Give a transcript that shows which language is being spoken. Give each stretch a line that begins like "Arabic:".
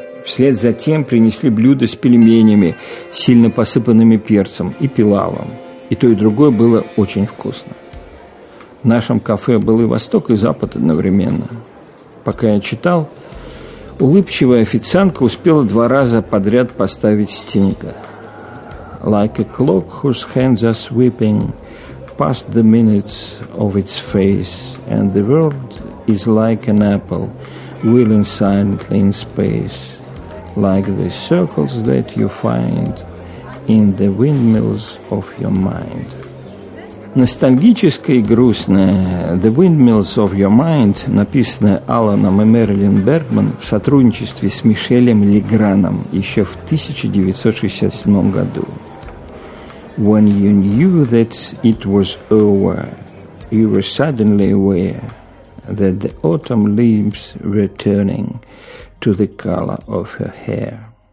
Russian: Вслед за тем принесли блюда с пельменями, сильно посыпанными перцем, и пилавом. И то, и другое было очень вкусно. В нашем кафе был и восток, и запад одновременно. Пока я читал, улыбчивая официантка успела два раза подряд поставить стинга.
English: Like a clock whose hands are sweeping past the minutes of its face, and the world is like an apple wheeling silently in space, like the circles that you find in the windmills of your mind.
Russian: Ностальгическая и грустная «The Windmills of Your Mind», написанная Аланом и Мэрилин Бергман в сотрудничестве с Мишелем Леграном еще в 1967 году.
English: «When you knew that it was over, you were suddenly aware that the autumn leaves were turning to the color of her hair».